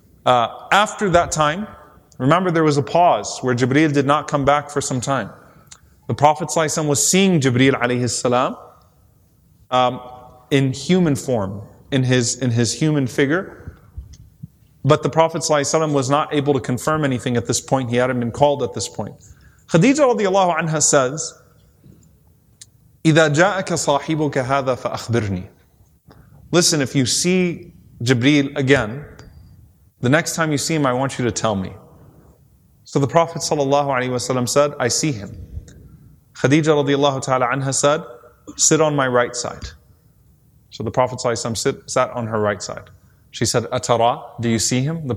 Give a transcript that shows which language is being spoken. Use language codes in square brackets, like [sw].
[en] After that time, remember there was a pause where Jibreel did not come back for some time. The Prophet sallallahu alaihi wasallam was seeing Jibreel alayhi salam in human form, in his human figure. But the Prophet sallallahu alaihi wasallam was not able to confirm anything at this point. He hadn't been called at this point. Khadija radiallahu anha says, [ar] إِذَا جَاءَكَ صَاحِبُكَ هَذَا فَأَخْبِرْنِي. [en] Listen, if you see Jibreel again, the next time you see him, I want you to tell me. So the Prophet sallallahu alaihi wasallam said, I see him. Khadija radiallahu ta'ala anha said, sit on my right side. So the Prophet sallallahu alaihi wasallam sat on her right side. She said, Atara, do you see him?